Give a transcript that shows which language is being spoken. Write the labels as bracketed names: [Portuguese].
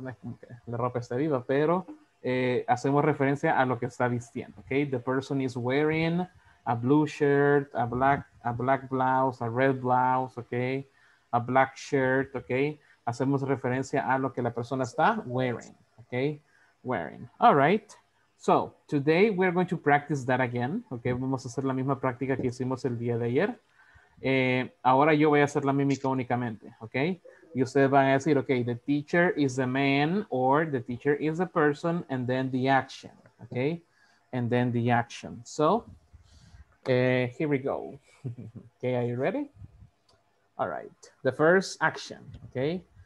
[Spanish] No es como que la ropa esté viva, pero hacemos referencia a lo que está vistiendo. [English] Okay. The person is wearing a blue shirt, a black blouse, a red blouse, okay, a black shirt. Okay. [Spanish] Hacemos referencia a lo que la persona está wearing. [English] Okay. Wearing. All right. So, today we're going to practice that again, okay? [Spanish] Vamos a hacer la misma práctica que hicimos el día de ayer. Ahora yo voy a hacer la mímica únicamente, okay? Y ustedes van a decir, [English] okay, the teacher is the man or the teacher is the person and then the action, okay? And then the action. So, here we go. Okay, are you ready? All right, the first action, okay?